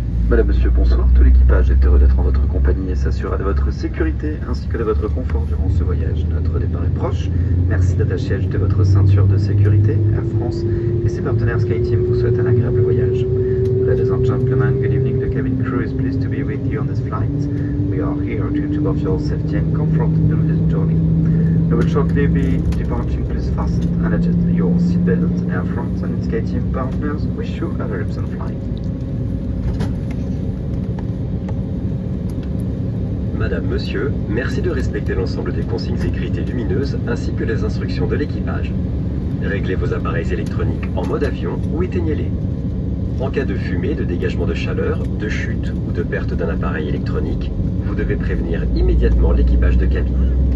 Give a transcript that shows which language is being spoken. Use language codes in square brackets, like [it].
[fr] Madame, Monsieur, bonsoir. Tout l'équipage est heureux d'être en votre compagnie et s'assurera de votre sécurité ainsi que de votre confort durant ce voyage. Notre départ est proche. Merci d'attacher et ajouter votre ceinture de sécurité. Air France et ses partenaires SkyTeam vous souhaitent un agréable voyage. [en] Ladies and gentlemen, good evening. The cabin crew is pleased to be with you on this flight. We are here to improve your safety and comfort during this journey. We will shortly be departing. Please fasten and adjust your seatbelt. Air France and SkyTeam partners wish you a very pleasant flight. [fr] Madame, Monsieur, merci de respecter l'ensemble des consignes écrites et lumineuses ainsi que les instructions de l'équipage. Réglez vos appareils électroniques en mode avion ou éteignez-les. En cas de fumée, de dégagement de chaleur, de chute ou de perte d'un appareil électronique, vous devez prévenir immédiatement l'équipage de cabine.